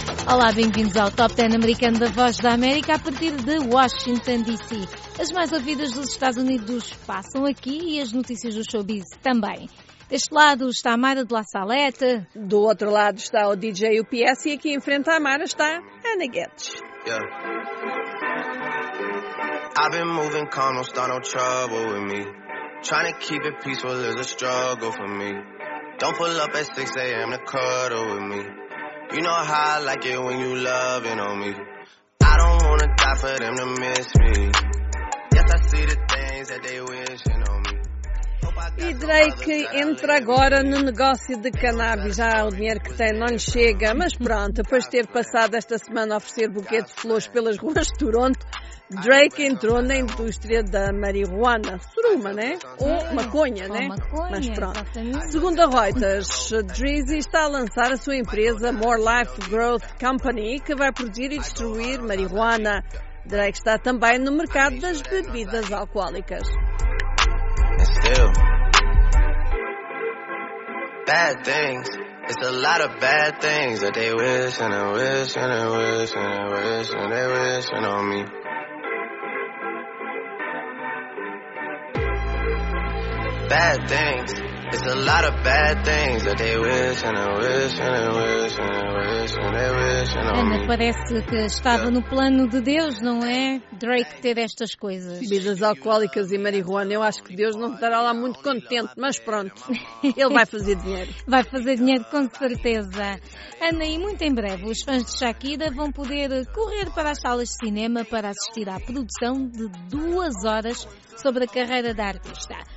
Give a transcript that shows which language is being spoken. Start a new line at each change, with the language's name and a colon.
Portuguese: Olá, bem-vindos ao Top 10 americano da Voz da América a partir de Washington, D.C. As mais ouvidas dos Estados Unidos passam aqui e as notícias do showbiz também. Deste lado está a Mara de La Salette. Do outro lado está o DJ UPS e aqui em frente à Mara está a Ana Guedes.
English: Yeah. I've been moving calm, don't start no trouble with me. Trying to keep it peaceful is a struggle for me. Don't pull up at 6 a.m. to cuddle with me. You know how I like it when you loving on me. I don't wanna die for them to miss me. Yes, I see the things that they wishing on me.
Portuguese: E Drake entra agora no negócio de cannabis. Já o dinheiro que tem não lhe chega, mas pronto, depois de ter passado esta semana a oferecer buquê de flores pelas ruas de Toronto, Drake entrou na indústria da marihuana. Suruma, né? Ou maconha, né? Mas pronto. Segundo a Reuters, Drizzy está a lançar a sua empresa More Life Growth Company, que vai produzir e distribuir marihuana. Drake está também no mercado das bebidas alcoólicas.
English: Still, bad things, it's a lot of bad things that they wish and they wish and they wish and they wish and they wish on me. Bad things, it's a lot of bad things that they wish and they wish and they wish and they wish and they wish on me.
Portuguese: Ana, parece que estava no plano de Deus, não é? Drake ter estas coisas. Bebidas alcoólicas e marihuana, eu acho que Deus não estará lá muito contente, mas pronto, ele vai fazer dinheiro. Vai fazer dinheiro com certeza. Ana, e muito em breve os fãs de Shakira vão poder correr para as salas de cinema para assistir à produção de 2 horas sobre a carreira da artista.